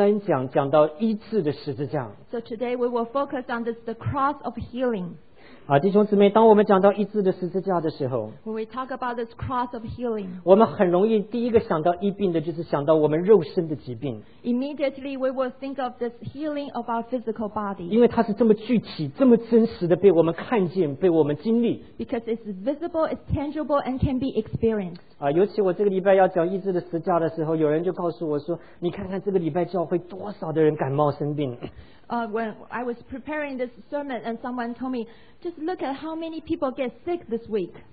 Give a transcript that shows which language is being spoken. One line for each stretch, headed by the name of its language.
Chinese: 今天早晨我们要来讲历久弥新的十字架第3讲，讲到医治的十字架。So
English: today we will focus on this, the cross of healing.
Chinese: 弟兄姊妹，当我们讲到医治的十字架的时候，
English: When we talk about this cross of healing,
Chinese: 我们很容易第一个想到医病的，就是想到我们肉身的疾病。
English: Immediately we will think of this healing of our physical body.
Chinese: 因为它是这么具体，这么真实的被我们看见，被我们经历。
English: Because it's visible, it's tangible, and can be experienced.
Chinese: 尤其我这个礼拜要讲医治的十字架的时候，有人就告诉我说，你看看这个礼拜教会多少的人感冒生病。
English: When I was preparing this sermon, and someone told me, just look at how many people get sick this week.